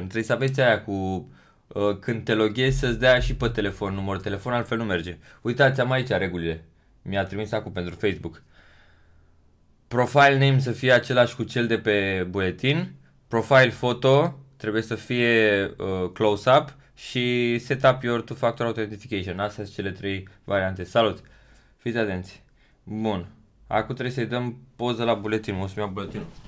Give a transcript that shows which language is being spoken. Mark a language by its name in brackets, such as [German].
[Romanian] Trebuie să aveți aia cu când te loghezi să-ți dea și pe telefon numărul telefon, altfel nu merge. Uitați, am aici regulile. Mi-a trimis acum pentru Facebook. [English] Profile name [Romanian] să fie același cu cel de pe buletin. [English] Profile photo [Romanian] trebuie să fie close-up. Și [English] set up your two-factor authentication. [Romanian] Astea sunt cele trei variante. Salut! Fiți atenți! Bun. Acum trebuie să-i dăm poză la buletin. O să-mi iau buletinul.